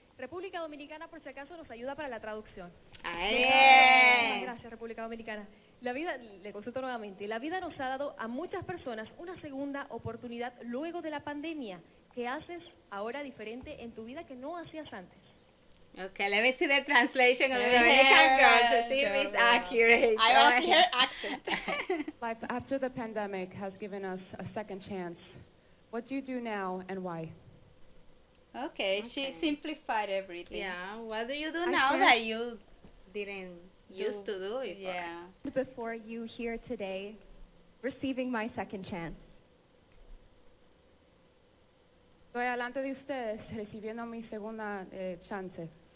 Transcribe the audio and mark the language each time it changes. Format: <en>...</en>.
<es>República Dominicana, por si acaso, nos ayuda para la traducción. Muchas gracias, República Dominicana. La vida, le consulto nuevamente, la vida nos ha dado a muchas personas una segunda oportunidad luego de la pandemia. ¿Qué haces ahora diferente en tu vida que no hacías antes?</es> <en>Okay, let me see the translation of the American girl to see if it's accurate. I also hear accent. Life after the pandemic has given us a second chance. What do you do now and why? Okay, she simplified everything. Yeah, what do you do now that you didn't used to do before? Yeah. Before you here today, receiving my second chance.</en> <es>Estoy delante de ustedes recibiendo mi segunda chance.</es>